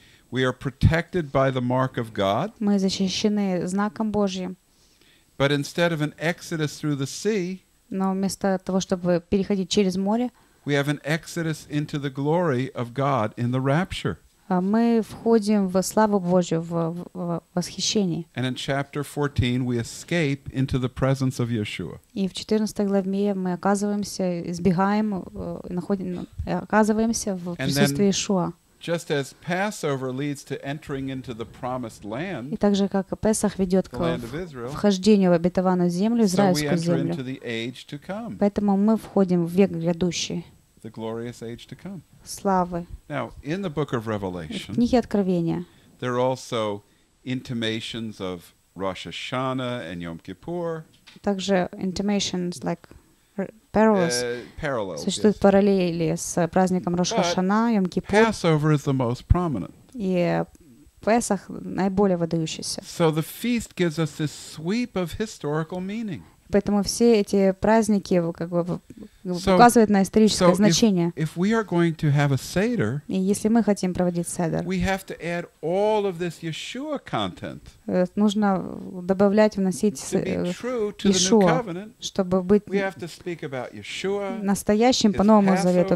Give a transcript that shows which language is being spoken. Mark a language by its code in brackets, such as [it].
[en] We are protected by the mark of God. [ru] Мы защищены знаком Божьим. [en] But instead of an exodus through the sea, [ru] но вместо того, чтобы переходить через море, [en] we have an exodus into the glory of God in the rapture. [ru] мы входим в славу Божию, в восхищение. [en] And in chapter 14 we escape into the presence of Yeshua. [ru] И в 14 главе мы оказываемся, избегаем, находим, оказываемся в присутствии Иешуа. [en] Just as Passover leads to entering into the promised land, [ru] и так же, как Песах ведет к вхождению в обетованную землю, израильскую землю, поэтому мы входим в век грядущий. [en] The glorious age to come. [ru] Славы. [en] Now, in the book of Revelation, [ru] в книге Откровения, [en] there are also intimations of Rosh Hashanah and Yom Kippur. [ru] Также [en] intimations like parallels. Parallels. [ru] Существуют параллели с праздником Рош Хашана, Йом Кипур. [en] Passover is the most prominent. [ru] И Песах наиболее выдающийся. [en] So the feast gives us this sweep of historical meaning. [ru] Поэтому все эти праздники как бы указывают на историческое значение. [en] Seder, [ru] и если мы хотим проводить седер, нужно добавлять, вносить Иешуа, чтобы быть настоящим по Новому Завету.